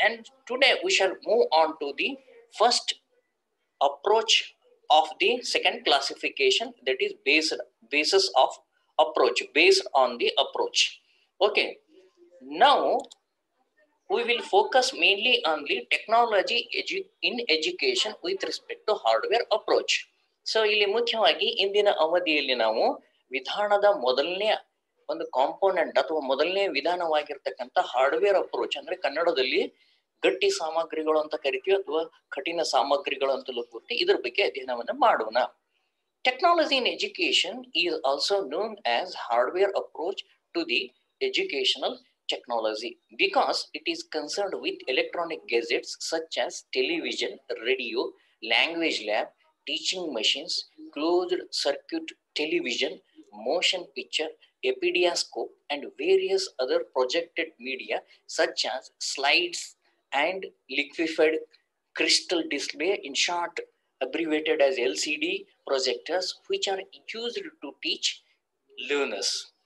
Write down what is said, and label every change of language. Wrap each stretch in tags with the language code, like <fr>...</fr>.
<en>And today we shall move on to the first approach of the second classification, that is basis of approach, based on the approach. Okay, now we will focus mainly on the technology in education with respect to hardware approach.</en> <kn>So ಇಲ್ಲಿ ಮುಖ್ಯವಾಗಿ ಇಂದಿನ ಅವಧಿಯಲ್ಲಿ ನಾವು ವಿಧಾನದ ಮೊದಲನೇ ಒಂದು component ಅಥವಾ ಮೊದಲನೇ ವಿಧಾನವಾಗಿರ್ತಕ್ಕಂಥ ಹಾರ್ಡ್ವೇರ್ ಅಪ್ರೋಚ್ ಅಂದ್ರೆ ಕನ್ನಡದಲ್ಲಿ ಗಟ್ಟಿ ಸಾಮಗ್ರಿಗಳು ಅಂತ ಕರಿತೀವಿ ಅಥವಾ ಕಠಿಣ ಸಾಮಗ್ರಿಗಳು ಅಂತಲೂ ಕೂತಿ ಇದ್ರ ಬಗ್ಗೆ ಅಧ್ಯಯನವನ್ನು ಮಾಡೋಣ.</kn> <en>Technology in education is also known as hardware approach to the educational technology because it is concerned with electronic gadgets such as television, radio, language lab, teaching machines, closed circuit television, motion picture, epidioscope, and various other projected media such as slides and liquefied crystal display, in short abbreviated as LCD projectors, which are used to teach learners.</en>